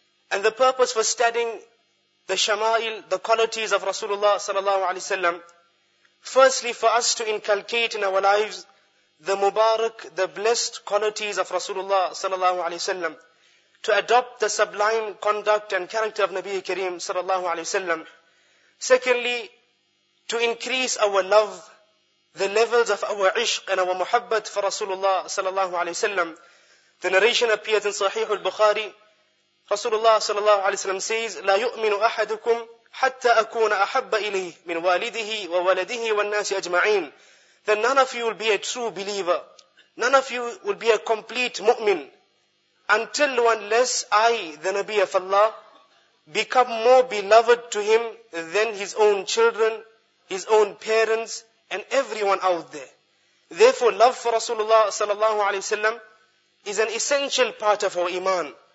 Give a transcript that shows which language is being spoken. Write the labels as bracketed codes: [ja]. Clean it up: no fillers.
[en] And the purpose for studying the shama'il, the qualities of Rasulullah sallallahu alayhi wa sallam, firstly for us to inculcate in our lives the mubarak, the blessed qualities of Rasulullah sallallahu alayhi wa sallam, to adopt the sublime conduct and character of Nabi Kareem sallallahu alayhi wa sallam. Secondly, to increase our love, the levels of our ishq and our muhabbat for Rasulullah sallallahu alayhi wa sallam. The narration appears in Sahih al-Bukhari. Rasulullah sallallahu alayhi wa sallam says, [ar] لا يؤمن أحدكم حتى أكون أحب إليه من والده وولده والناس أجمعين. [en] Then none of you will be a true believer. None of you will be a complete mu'min until unless I, the Nabi of Allah, become more beloved to him than his own children, his own parents, and everyone out there. Therefore, love for Rasulullah sallallahu alayhi wa sallam is an essential part of our iman.